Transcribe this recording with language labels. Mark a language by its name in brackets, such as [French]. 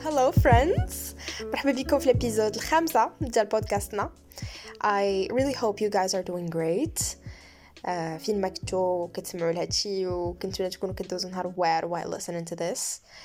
[Arabic] friends, مرحبا بكم في الابيزود الخامسة ديال بودكاستنا. [English] I really hope you guys are doing great. [Arabic] فين ما كنتو كتسمعوا لهادشي وكنتو تكونوا كدوزوا نهار واعر [English] while listening to this.